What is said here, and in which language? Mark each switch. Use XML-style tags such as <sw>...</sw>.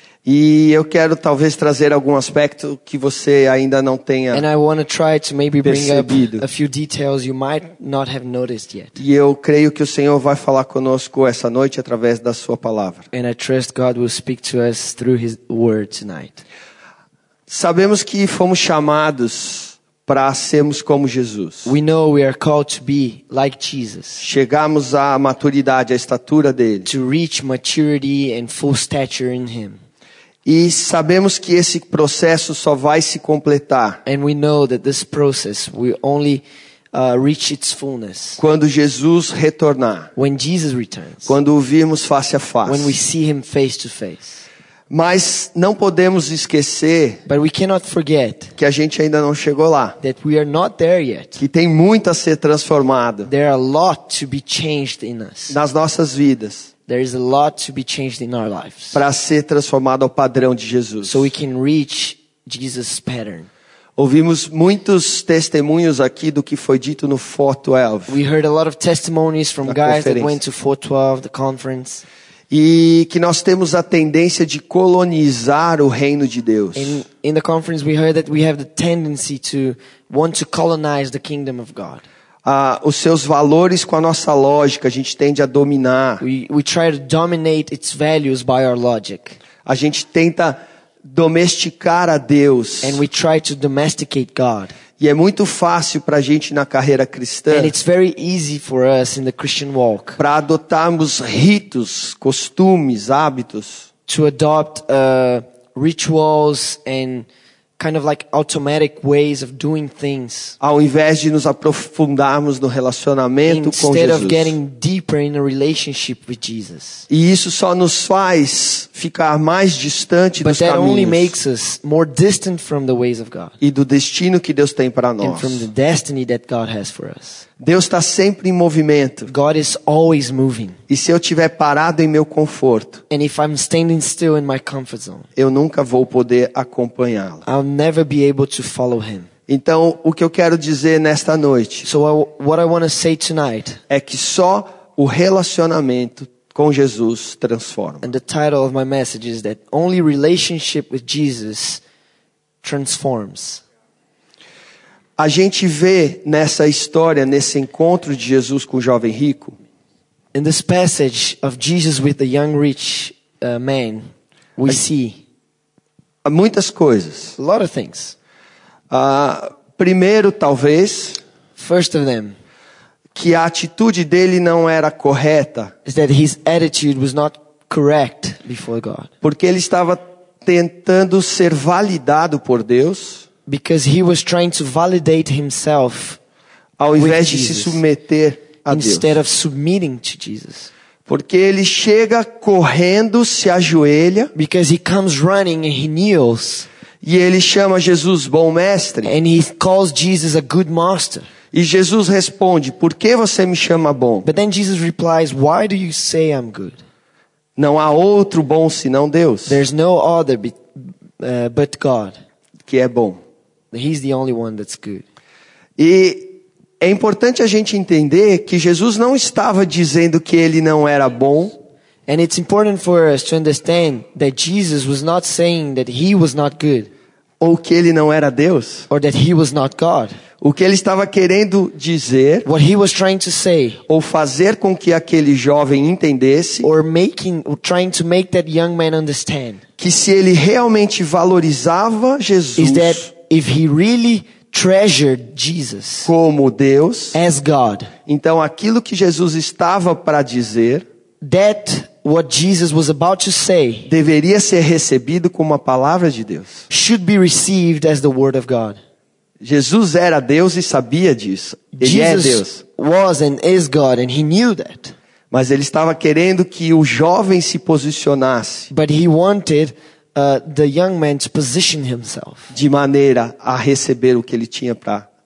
<pt>E eu quero talvez trazer algum aspecto que você ainda não tenha percebido.</pt> <en>And I want to try to maybe bring up a few details you might not have noticed yet.</en> <pt>E eu creio que o Senhor vai falar conosco essa noite através da sua palavra.</pt> <en>And I trust God will speak to us through his word tonight.</en> <pt>Sabemos que fomos chamados para sermos como Jesus.</pt> <en>We know we are called to be like Jesus.</en> <pt>Chegamos à maturidade, à estatura dele.</pt> <en>To reach maturity and full stature in him.</en> <pt>E sabemos que esse processo só vai se completar.</pt> <en>And we know that this process will only reach its fullness.</en> <pt>Quando Jesus retornar.</pt> <en>When Jesus returns.</en> <pt>Quando o virmos face a face.</pt> <en>When we see him face to face.</en> <pt>Mas não podemos esquecer.</pt> <en>But we cannot forget.</en> <pt>Que a gente ainda não chegou lá.</pt> <en>That we are not there yet.</en> <pt>Que tem muito a ser transformado.</pt> <en>There are a lot to be changed in us.</en> <pt>Nas nossas vidas.</pt> <en>There is a lot to be changed in our lives.</en> <pt>Para ser transformado ao padrão de Jesus.</pt> <en>So we can reach Jesus' pattern.</en> <pt>Ouvimos muitos testemunhos aqui do que foi dito no 412.</pt> <en>We heard a lot of testimonies from guys that went to 412, the conference.</en> <pt>E que nós temos a tendência de colonizar o reino de Deus.</pt> <en>In the conference we heard that we have the tendency to want to colonize the kingdom of God.</en> <pt>Os seus valores com a nossa lógica, a gente tende a dominar.</pt> <en>We try to dominate its values by our logic.</en> <pt>A gente tenta domesticar a Deus.</pt> <en>And we try to domesticate God.</en> <pt>E é muito fácil para a gente na carreira cristã.</pt> <en>And it's very easy for us in the Christian walk.</en> <pt>Para adotarmos ritos, costumes, hábitos.</pt> <en>To adopt rituals and kind of like automatic ways of doing things.</en> <pt>Ao invés de nos aprofundarmos no relacionamento com Jesus.</pt> <en>Instead of getting deeper in a relationship with Jesus.</en> <pt>E isso só nos faz ficar mais distante dos caminhos.</pt> <en>But that only makes us more distant from the ways of God.</en> <pt>E do destino que Deus tem para nós.</pt> <en>And from the destiny that God has for us.</en> <pt>Deus está sempre em movimento.</pt> <en>God is always moving.</en> <pt>E se eu estiver parado em meu conforto,</pt> <en>and if I'm standing still in my comfort zone,</en> <pt>eu nunca vou poder acompanhá-lo.</pt> <en>I'll never be able to follow him.</en> <pt>Então, o que eu quero dizer nesta noite,</pt> <en>so what I want to say tonight,</en> <pt>é que só o relacionamento com Jesus transforma.</pt> <en>And the title of my message is that only relationship with Jesus transforms.</en> <pt>A gente vê nessa história, nesse encontro de Jesus com o jovem rico.</pt> <en>In this passage of Jesus with the young rich man, we see</en> <pt>muitas coisas.</pt> <en>A lot of things.</en> <pt>Primeiro, talvez,</pt> <en>first of them,</en> <pt>que a atitude dele não era correta.</pt> <en>Is that his attitude was not correct before God.</en> <pt>Porque ele estava tentando ser validado por Deus.</pt> <en>because he was trying to validate himself</en> <pt>ao invés de se submeter a Deus.</pt> <en>Instead of submitting to Jesus.</en> <pt>Porque ele chega correndo, se ajoelha.</pt> <en>Because he comes running and he kneels.</en> <pt>E ele chama Jesus bom mestre.</pt> <en>And he calls Jesus a good master.</en> <pt>E Jesus responde, por que você me chama bom?</pt> <en>But then Jesus replies, why do you say I'm good?</en> <pt>Não há outro bom senão Deus.</pt> <en>There's no other but God.</en> <pt>Que é bom.</pt> <en>He's the only one that's good.</en> <pt>E é importante a gente entender que Jesus não estava dizendo que ele não era bom.</pt> <en>And it's important for us to understand that Jesus was not saying that he was not good.</en> <pt>Ou que ele não era Deus.</pt> <en>Or that he was not God.</en> <pt>O que ele estava querendo dizer.</pt> <en>What he was trying to say.</en> <pt>Ou fazer com que aquele jovem entendesse.</pt> <en>Or making, or trying to make that young man understand.</en> <pt>Que se ele realmente valorizava Jesus.</pt> <en>Is that if he really treasured Jesus.</en> <pt>Como Deus.</pt> <en>As God.</en> <pt>Então aquilo que Jesus estava para dizer.</pt> <en>That what Jesus was about to say</en> <pt>deveria ser recebido como a palavra de Deus.</pt> <en>Should be received as the word of God.</en> <pt>Jesus era Deus e sabia disso. Ele</pt> <en>Jesus</en> <pt>é Deus.</pt> <en>Was and is God and he knew that.</en> <pt>Mas ele estava querendo que o jovem se posicionasse.</pt> <en>But he wanted the young man to position himself.</en> <pt>De maneira a receber o que ele tinha para entregar.</pt>